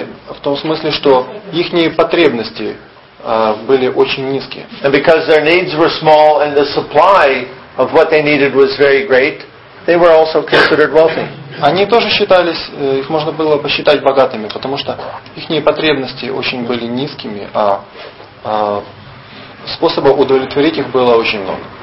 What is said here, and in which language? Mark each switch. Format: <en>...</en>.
<ru>В том смысле, что их потребности были очень низкие.</ru> <en>And because their needs were small and the supply of what they needed was very great, they were also considered wealthy.</en> <ru>Они тоже считались, их можно было посчитать богатыми, потому что их потребности очень были низкими, а способа удовлетворить их было очень много.</ru>